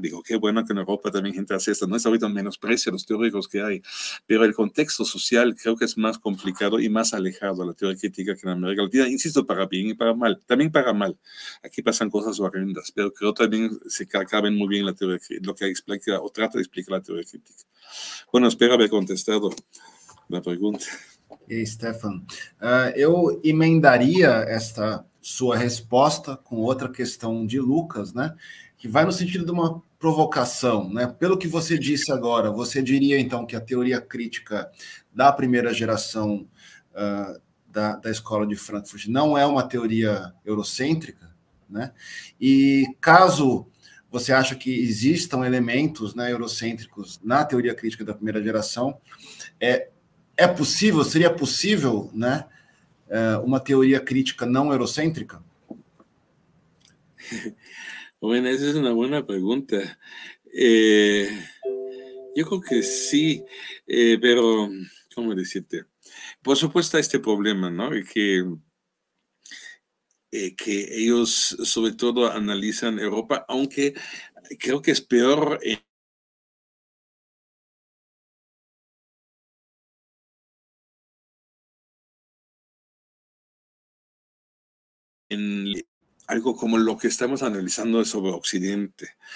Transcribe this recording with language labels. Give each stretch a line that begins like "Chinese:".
Spanish: Digo, qué bueno que en Europa también gente hace esto, ¿no? Es ahorita menosprecio a los teóricos que hay, pero el contexto social creo que es más complicado y más alejado a la teoría crítica que en América Latina, insisto, para bien y para mal, también para mal. Aquí pasan cosas horrendas, pero creo también se caben muy bien la teoría, lo que hay o trata de explicar la teoría crítica. Bueno, espero haber contestado la pregunta.
Portuguese: Hey, Stefan, eu emendaria esta sua resposta com outra questão de Lucas, né? Que vai no sentido de uma provocação, né? Pelo que você disse agora, você diria então que a teoria crítica da primeira geração da escola de Frankfurt não é uma teoria eurocêntrica, né? E caso você acha que existam elementos, né, eurocêntricos na teoria crítica da primeira geração, é possível, seria possível, né, uma teoria crítica não eurocêntrica?
Spanish: Bueno,
Portuguese: essa é uma boa pergunta. Eu acho que sim, mas como dizer-te?
Spanish: Por supuesto, há este problema, ¿no? Que ellos sobre todo analizan Europa, aunque creo que es peor en algo como lo que estamos analizando sobre Occidente.